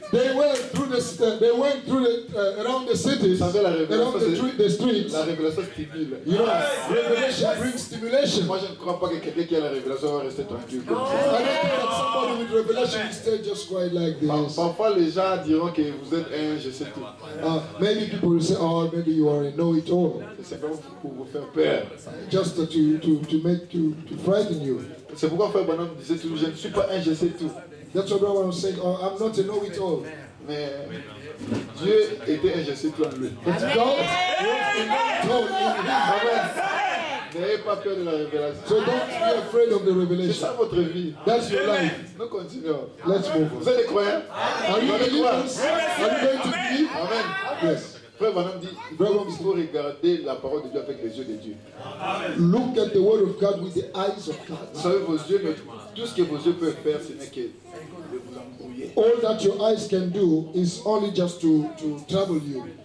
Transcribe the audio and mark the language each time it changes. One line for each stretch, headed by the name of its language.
English: They went through the around the cities, around the streets.
French: La révélation stimule.
English: You know, revelation brings stimulation.
French: Moi, je ne crois pas que quelqu'un qui a la révélation va rester tranquille comme ça.
English: I don't think that somebody with revelation will stay just quiet like this.
French: Parfois, les gens diront que vous êtes un, je sais tout.
English: Many people will say, oh, maybe you are a know-it-all.
French: C'est vraiment pour vous faire peur.
English: Just to frighten you.
French: C'est pourquoi Frère Bonhomme disait toujours, je ne suis pas un, je sais tout.
English: That's what Brother was saying. Oh, I'm not a know-it-all.
French: Mais Dieu était un je sais tout en lui.
English: But God was a know-it-all in him.
French: Amen. N'ayez pas peur de la révélation.
English: So don't be afraid of the revelation.
French: C'est ça votre vie.
English: That's your life.
French: Nous continuons.
English: Let's move on.
French: Vous êtes croyants?
English: Are you believers? Are you going to believe? Amen. Yes.
French: Frère Branham dit, vraiment, il faut regarder la parole de Dieu avec les yeux de Dieu. Amen.
English: Look at the word of God with the eyes of God.
French: Vous savez, vos yeux, tout ce que vos yeux peuvent faire, ce n'est que de vous embrouiller.
English: All that your eyes can do is only just to trouble you.